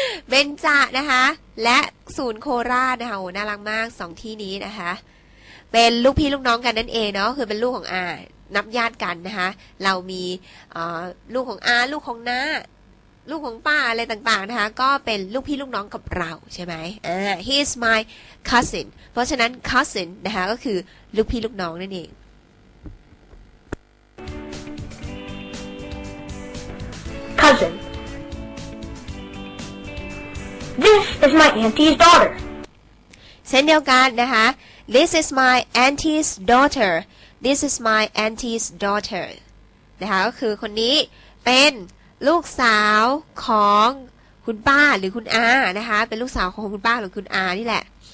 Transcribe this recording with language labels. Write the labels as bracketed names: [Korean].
[Thai] Ben จ่านะคะและศูนย์โคราชนะคะโอ้น่ารักมาก2ที่นี้นะคะเป็นลูกพี่ลูกน้องกันนั่นเองเนาะคือเป็นลูกของอานับญาติกันนะคะเรามีลูกของอาลูกของน้าลูกของป้าอะไรต่างๆนะคะก็เป็นลูกพี่ลูกน้องกับเราใช่ไหม [English] he is my cousin [Thai] เพราะฉะนั้น cousin นะคะก็คือลูกพี่ลูกน้องนั่นเอง [English] cousin this is my auntie's daughter [Thai] เช่นเดียวกันนะคะ [English] this is my auntie's daughterThis is my auntie's daughter [Thai] นะคะก็คือคนนี้เป็นลูกสาวของคุณป้าหรือคุณอานะคะเป็นลูกสาวของคุณป้าหรือคุณอานี่แหละ